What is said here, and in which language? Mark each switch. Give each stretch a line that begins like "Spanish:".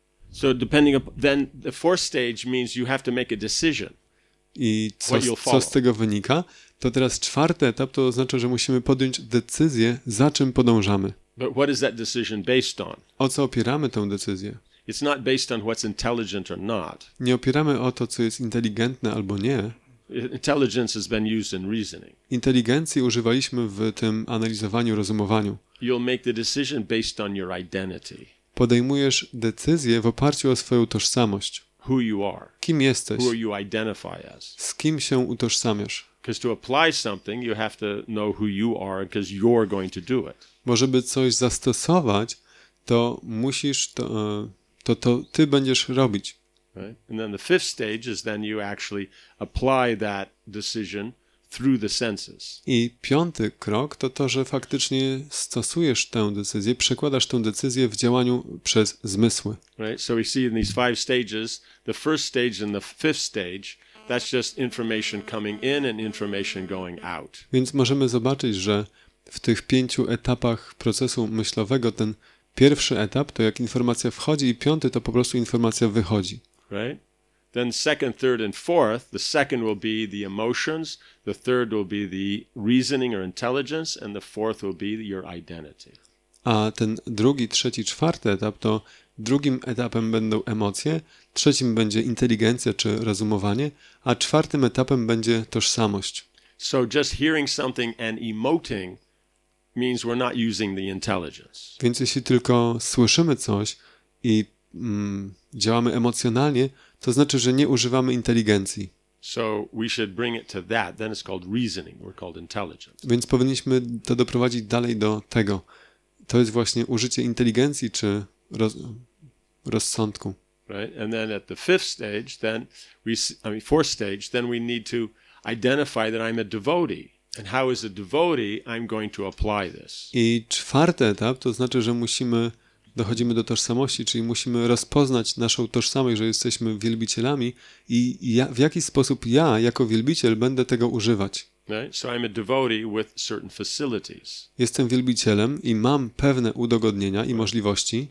English: So depending up, then the fourth stage means you have to make a decision.
Polish: I co z tego wynika? To teraz czwarty etap to oznacza, że musimy podjąć decyzję, za czym podążamy.
English: But what is that decision based on?
Polish: O co opieramy tę decyzję?
English: It's not based on what's intelligent or not.
Polish: Nie opieramy o to, co jest inteligentne albo nie.
English: Intelligence has been used in reasoning.
Polish: Inteligencji używaliśmy w tym analizowaniu, rozumowaniu.
English: You'll make the decision based on your identity.
Polish: Podejmujesz decyzję w oparciu o swoją tożsamość.
English: Who you are.
Polish: Kim jesteś?
English: Who you identify as.
Polish: Z kim się utożsamiasz?
English: Because to apply something, you have to know who you are, because you're going to do it.
Polish: Bo żeby coś zastosować, to musisz to, to ty będziesz robić.
English: Right? And then the fifth stage is then you actually apply that decision through the senses.
Polish: I piąty krok to to, że faktycznie stosujesz tę decyzję, przekładasz tę decyzję w działaniu przez zmysły. Right?
English: So we see in these five stages, the first stage and the fifth stage, that's just information coming in and information going out.
Polish: Więc możemy zobaczyć, że w tych pięciu etapach procesu myślowego ten pierwszy etap to jak informacja wchodzi i piąty to po prostu informacja wychodzi. Right?
English: Then second, third and fourth, the second will be the emotions, the third will be the reasoning or intelligence and the fourth will be your identity.
Polish: A ten drugi, trzeci, czwarty etap to drugim etapem będą emocje, trzecim będzie inteligencja czy rozumowanie, a czwartym etapem będzie tożsamość.
English: So just hearing something and emoting means we're not using the intelligence.
Polish: Więc jeśli tylko słyszymy coś i działamy emocjonalnie, to znaczy, że nie używamy inteligencji.
English: So we should bring it to that. Then it's called reasoning. We're called intelligence.
Polish: Więc powinniśmy to doprowadzić dalej do tego. To jest właśnie użycie inteligencji czy rozsądku.
English: Right. And then at the fifth stage, then we, I mean fourth stage, then we need to identify that I'm a devotee. And how is a devotee I'm going to apply this?
Polish: I czwarty etap to znaczy, że musimy dochodzimy do tożsamości, czyli musimy rozpoznać naszą tożsamość, że jesteśmy wielbicielami i ja, w jaki sposób ja jako wielbiciel będę tego używać.
English: Right? So I'm a devotee with certain facilities.
Polish: Jestem wielbicielem i mam pewne udogodnienia i możliwości.